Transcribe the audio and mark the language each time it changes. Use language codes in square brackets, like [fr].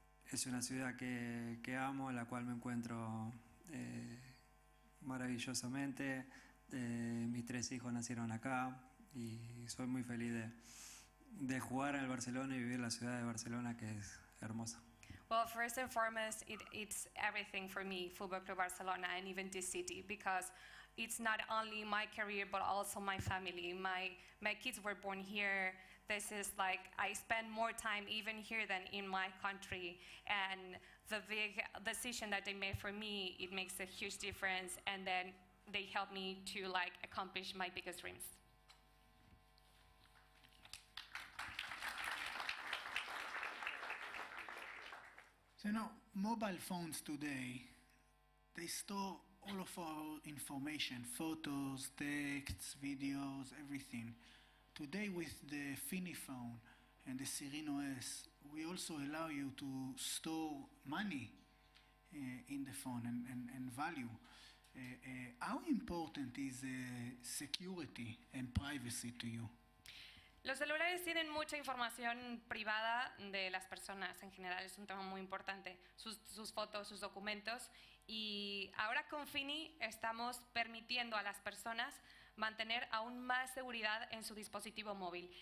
[es] Es una ciudad que amo, en la cual me encuentro maravillosamente. Mis tres hijos nacieron acá, y soy muy feliz de jugar en el Barcelona y vivir la ciudad de Barcelona, que es hermosa. [en] Well, first and foremost, it's everything for me, Fútbol Club Barcelona, and even this city, because it's not only my career, but also my family. My kids were born here. This is like, I spend more time even here than in my country. And the big decision that they made for me, it makes a huge difference. And then they helped me to like accomplish my biggest dreams. So, you know, mobile phones today, they store all of our information, photos, texts, videos, everything. Today with the FINNEY phone and the Sirin OS, we also allow you to store money in the phone and value. How important is security and privacy to you? [es] Los celulares tienen mucha información privada de las personas en general, es un tema muy importante, sus fotos, sus documentos, y ahora con FINNEY estamos permitiendo a las personas mantener aún más seguridad en su dispositivo móvil.